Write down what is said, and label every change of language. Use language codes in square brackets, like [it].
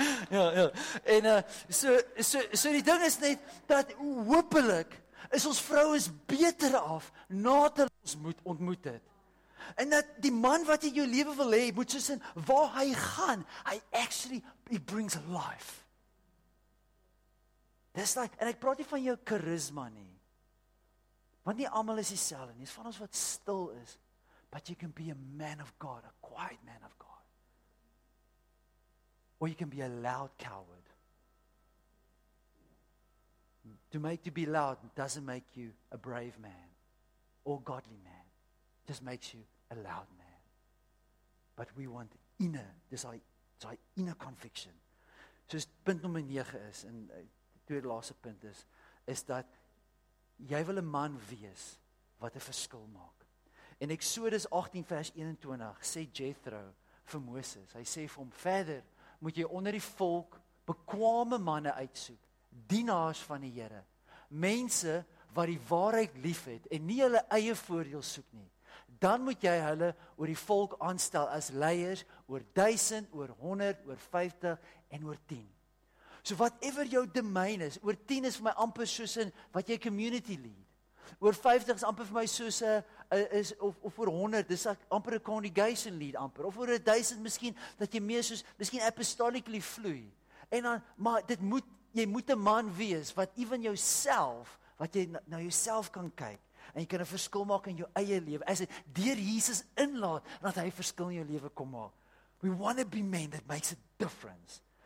[af] ja, en so die ding is net, dat hoopelik is ons vrou is beter af, nadat ons moet ontmoet het. En dat die man wat in jou leven wil hê, moet soos in, waar hy gaan, hy actually, [en] he brings life. [af] Dis like, en ek praat nie van jou charisma nie. Want nie allemaal is die selfde nie. Dis van ons wat stil is. [en] But you can be a man of God, a quiet man of God. Or you can be a loud coward. To be loud doesn't make you a brave man or godly man. It just makes you a loud man. but we want inner, [af] dis daai [en] inner conviction. [af] Soos punt nommer 9 is, en tweede laaste punt is, is dat jy wil 'n man wees wat 'n verskil maak. En Exodus 18 vers 21 sê Jethro vir Moses, hy sê vir hom, verder moet jy onder die volk bekwame manne uitsoek, dienaars van die Here, mense wat die waarheid lief het en nie hulle eie voordeel soek nie. Dan moet jy hulle oor die volk aanstel as leiers, oor 1000, oor 100, oor 50 en oor 10. So whatever jou domein is, oor 10 is vir my amper soos in wat jy community lead. Oor 50 is amper vir my soos is of oor 100, dis amper 'n congregation lead amper. Of oor 1000 miskien dat jy meer soos miskien apostolically vloei. En dan maar dit moet jy moet 'n man wees wat even jouself wat jy na jouself kan kyk. En jy kan 'n verskil maak in jou eie lewe. As dit deur Jesus inlaat, dat hy verskil in jou lewe kom maak. [en] We want to be men that makes a difference.